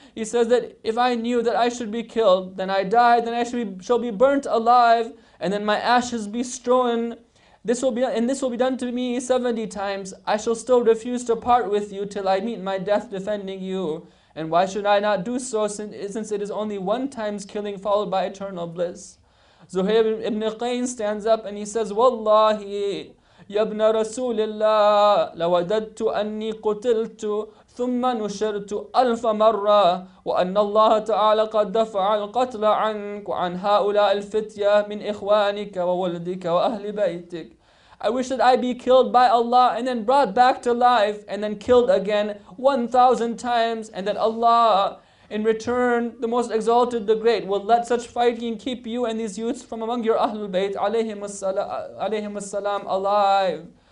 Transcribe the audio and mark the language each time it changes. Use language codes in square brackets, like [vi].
[en] He says that if I knew that I should be killed, then I die, then I shall be burnt alive, and then my ashes be strewn. This will be done to me 70 times. I shall still refuse to part with you till I meet my death defending you. And why should I not do so, since it is only one time's killing followed by eternal bliss? Zuhayb ibn Qayn stands up and he says, Wallahi, [ar] يَبْنَ رَسُولِ اللَّهِ لَوَدَدْتُ أَنِّي قُتِلْتُ ثُمَّ نُشِرْتُ أَلْفَ مَرَّةٍ وَأَنَّ اللَّهَ تَعَالَى قَدْ دَفَعَ الْقَتْلَ عَنْكَ وَعَنْ هَؤُلَاءِ الْفِتْيَةِ مِنْ إِخْوَانِكَ وَوَلْدِكَ وَأَهْلِ بَيْتِكَ. [en] I wish that I be killed by Allah and then brought back to life and then killed again 1,000 times, and that Allah, in return, the Most Exalted, the Great, will let such fighting keep you and these youths from among your Ahlul Bayt alayhim as-salam alive.